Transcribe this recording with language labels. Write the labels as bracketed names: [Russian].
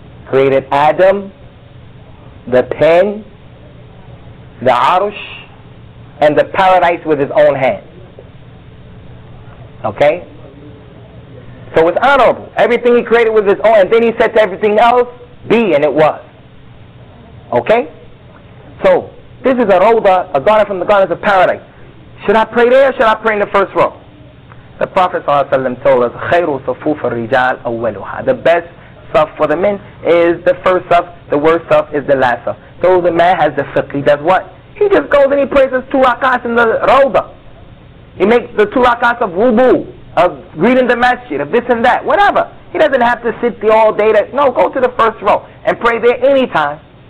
[English] Created Adam, the pen, the arush, and the paradise with his own hand. Okay? So it's honorable. Everything he created with his own, and then he said to everything else, be, and it was. Okay? So, this is a rawda, a garden from the gardens of paradise. Should I pray there or should I pray in the first row? The Prophet ﷺ told us, [Arabic] خَيْرُ صَفُوفَ الرِّجَالِ أَوَّلُهَا. [English] The best صَف for the men is the first صَف, the worst صَف is the last صَف. So the man has the fiqh, he does what? He just goes and he prays his two rak'ahs in the rawda. He makes the two rak'ahs of wudu, of reading the masjid, of this and that, whatever. He doesn't have to sit there all day. No, go to the first row and pray there anytime.